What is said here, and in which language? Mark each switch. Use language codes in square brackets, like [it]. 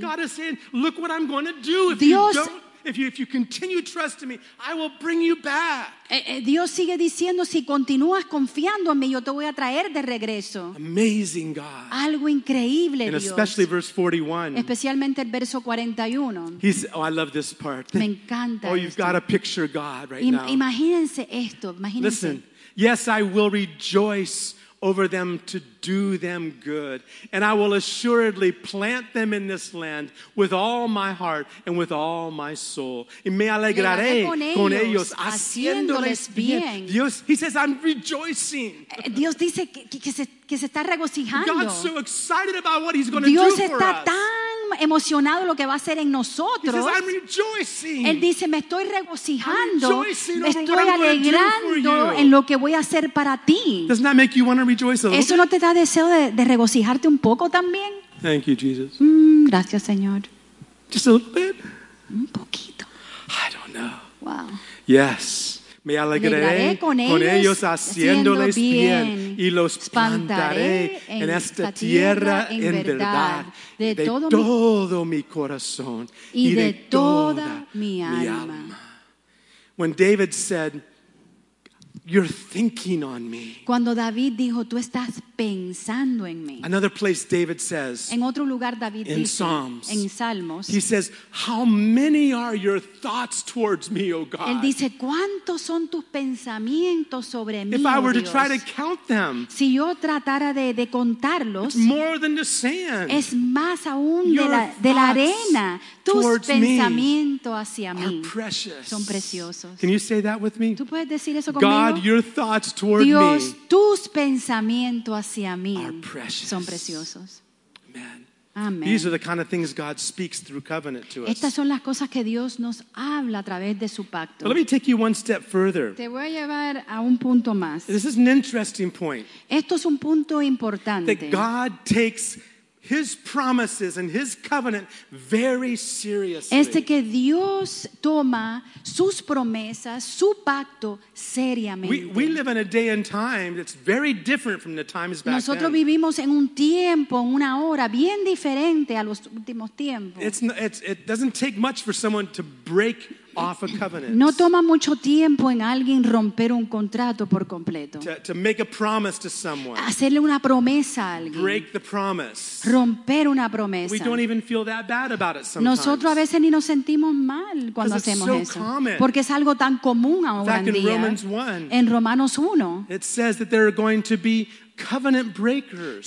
[en] God is saying, look what I'm going to do if Dios, you don't. If you continue trusting me, I will bring you back. [es] Dios sigue diciendo, si continúas confiando en mí, yo te voy a traer de regreso. [en] Amazing God. [es] Algo increíble, [en] and [es] Dios. [en] Especially verse 41. [es] Especialmente el verso 41. [en] Oh, I love this part. [es] Me encanta. [en] Oh, you've [es] esto. [en] Got to picture God right now. [es] Imagínense esto. Imagínense. [en] Listen. Yes, I will rejoice over them to do them good, and I will assuredly plant them in this land with all my heart and with all my soul. [es] Y me alegraré con ellos haciéndoles bien. [en] Dios, he says, I'm rejoicing. [es] Dios dice que se está regocijando. [en] God's so excited about what he's going to do for us. [es] Emocionado lo que va a hacer en nosotros. [en] Says, [es] él dice, me estoy regocijando, me estoy alegrando en lo que voy a hacer para ti. ¿Eso no te da deseo de regocijarte un poco también? [en] Thank you, Jesus. [es] Gracias, Señor. [en] Just a little bit. [es] Un poquito. [en] I don't know. Wow. Yes. [es] Me alegraré con ellos haciéndoles bien y los plantaré en esta tierra en verdad de todo mi corazón y de toda mi alma. [en] When David said, you're thinking on me. [es] Cuando David dijo, tú estás pensando en mí. [en] Another place David says, [es] en otro lugar David [en] in [es] dice, [en] Psalms, [es] en Salmos, [en] he says, how many are your thoughts towards me, O God? [es] Él dice, ¿cuántos son tus pensamientos sobre mí, [en] if I were [es] Dios? [en] To try to count them, [es] si yo tratara de contarlos, [en] it's more than the sand. [es] Es más aún de la arena. Tus pensamientos hacia mí son preciosos. [en] Can you say that with me? [es] ¿Tú puedes decir eso conmigo? [en] God, your thoughts toward [es] Dios, [en] me [es] tus pensamientos hacia mí [en] are precious. [es] Son preciosos. [en] Amen. [es] Amen. [en] These are the kind of things God speaks through covenant to us. [es] Estas son las cosas que Dios nos habla a través de su pacto. [en] But let me take you one step further. [es] Te voy a llevar a un punto más. [en] This is an interesting point. [es] Esto es un punto importante. [en] That God takes his promises and his covenant very seriously. [es] Este que Dios toma sus promesas, su pacto seriamente. [en] We live in a day and time that's very different from the times back [es] Nosotros Nosotros vivimos en un tiempo, en una hora bien diferente a los últimos tiempos. [en] It doesn't take much for someone to break off a covenant. [es] No toma mucho tiempo en alguien romper un contrato por completo. [en] To make a promise to someone. [es] Hacerle una promesa a alguien. [en] Break the promise. [es] Romper una promesa. [en] We don't even feel that bad about it sometimes. [es] Nosotros a veces ni nos sentimos mal cuando hacemos [en] so [es] eso. [en] Common. [es] Porque es algo tan común ahora en día. [en] In fact, Romans 1, [es] en Romanos 1, [en] it says that there are going to be covenant breakers.